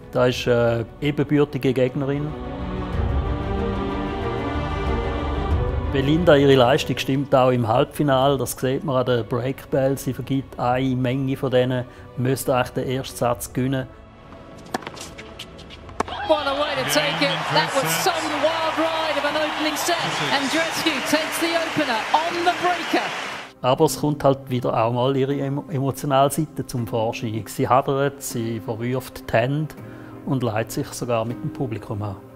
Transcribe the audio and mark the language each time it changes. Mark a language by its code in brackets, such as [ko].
[de] Das ist eine ebenbürtige Gegnerin. Belinda, ihre Leistung stimmt auch im Halbfinale. Das sieht man an der Breakbell. Sie vergibt eine Menge von denen, müsste eigentlich den ersten Satz gewinnen. [en] What a way to take it. That was some wild ride of an opening set. Andreescu takes the opener on the breaker. [de] Aber es kommt halt wieder auch mal ihre emotionale Seite zum Vorschein. Sie hadert, sie verwirft die Hände und leiht sich sogar mit dem Publikum an.